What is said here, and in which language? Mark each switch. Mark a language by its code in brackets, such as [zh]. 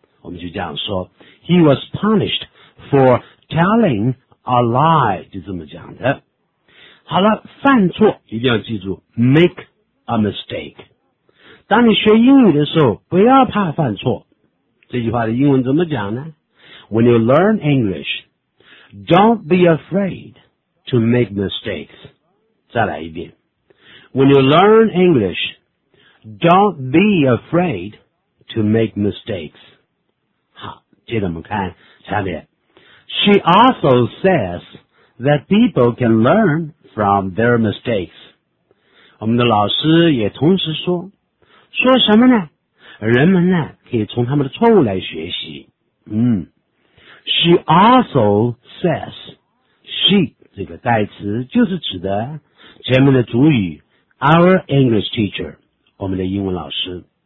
[zh] 我们就这样说 ， [en] He was punished for telling a lie， [zh] 就这么讲的。好了，犯错一定要记住 ， [en] make a mistake。 [zh] 当你学英语的时候不要怕犯错，这句话的英文怎么讲呢？ [en] When you learn English, don't be afraid to make mistakes. [zh] 再来一遍。 [en] When you learn English, don't be afraid to make mistakes. [zh] 好，接着我们看下面。 [en] She also says that people can learn from their mistakes. [zh] 我们的老师也同时说，说什么呢？人们呢可以从他们的错误来学习。 [en] She also says， [zh] she 这个代词就是指的前面的主语 [en] our English teacher， [zh] 我们的英文老师。